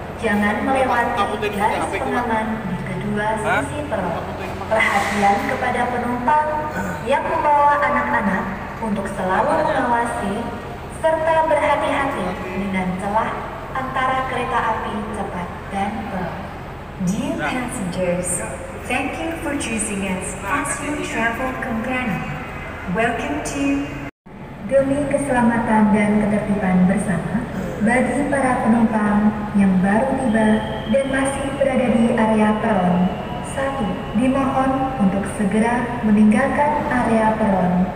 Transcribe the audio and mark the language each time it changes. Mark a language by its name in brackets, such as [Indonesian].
[Indonesian] Jangan melewati garis pengaman di kedua sisi peron. Perhatian kepada penumpang yang membawa anak-anak untuk selalu mengawasi serta berhati-hati dengan celah antara kereta api cepat dan peron. [English] Dear passengers, thank you for choosing us as your travel companion. Welcome to... [Indonesian] Demi keselamatan dan ketertiban bersama, bagi para penumpang yang baru tiba dan masih berada di area peron, 1. Dimohon untuk segera meninggalkan area peron.